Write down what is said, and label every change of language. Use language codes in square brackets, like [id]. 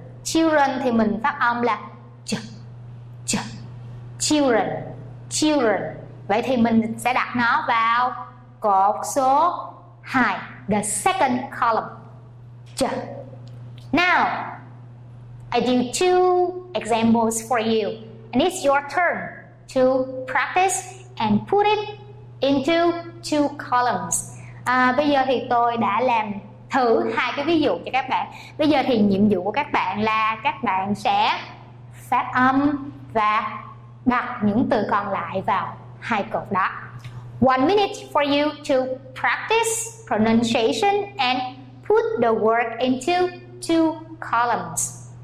[vi] Children thì mình phát âm là ch, ch, children, children. Vậy thì mình sẽ đặt nó vào cột số 2, [en] the second column, [vi] ch. [en] Now, I do two examples for you. And it's your turn to practice and put it into two columns. [vi] Bây giờ thì tôi đã làm thử hai cái ví dụ cho các bạn. Bây giờ thì nhiệm vụ của các bạn là các bạn sẽ phát âm và đặt những từ còn lại vào hai cột đó. [en] 1 minute for you to practice pronunciation and put the word into two columns.